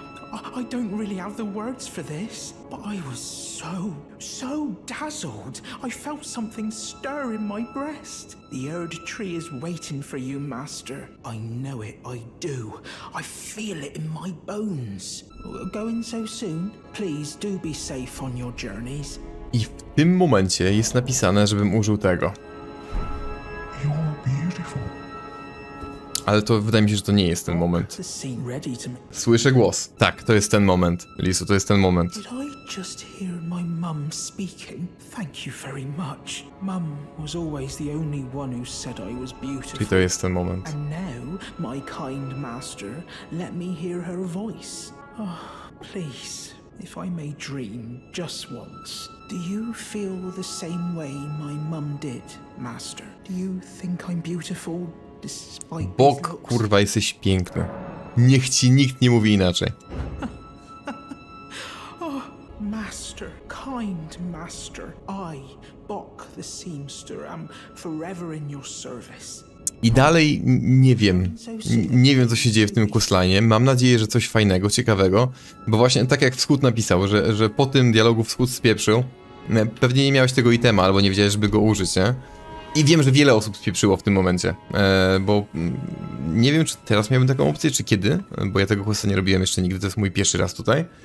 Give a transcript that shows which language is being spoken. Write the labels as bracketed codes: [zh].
[en] I don't really have the words for this, but I was so dazzled. I felt something stir in my breast. The herb tree is waiting for you, master. I know it, I do. I feel it in my bones. Going so soon? Please do be safe on your journeys. [pl] I w tym momencie jest napisane, żebym użył tego. [en] You're beautiful. [pl] Ale to wydaje mi się, że to nie jest ten moment. Słyszę głos. Tak, to jest ten moment. Lisu, to jest ten moment. [en] Did I just hear my mum speaking? Thank you very much. Mum was always the only one who said I was beautiful. [pl] I to jest ten moment. [en] And now, my kind master, let me hear her voice. Oh, please, if I may dream just once. Do you feel the same way my mum did, master? Do you think I'm beautiful? [pl] Bok, kurwa, jesteś piękny. Niech ci nikt nie mówi inaczej. [en] Oh, master, kind master. I, Bok, the seamster, am forever in your service. [pl] I dalej nie wiem. Nie wiem, co się dzieje w tym kuslanie. Mam nadzieję, że coś fajnego, ciekawego. Bo właśnie tak jak Wschód napisał, że po tym dialogu Wschód spieprzył. Pewnie nie miałeś tego itema, albo nie wiedziałeś, żeby go użyć, nie? I wiem, że wiele osób spieprzyło w tym momencie. Bo nie wiem, czy teraz miałbym taką opcję, czy kiedy. Bo ja tego kusla nie robiłem jeszcze nigdy, to jest mój pierwszy raz tutaj.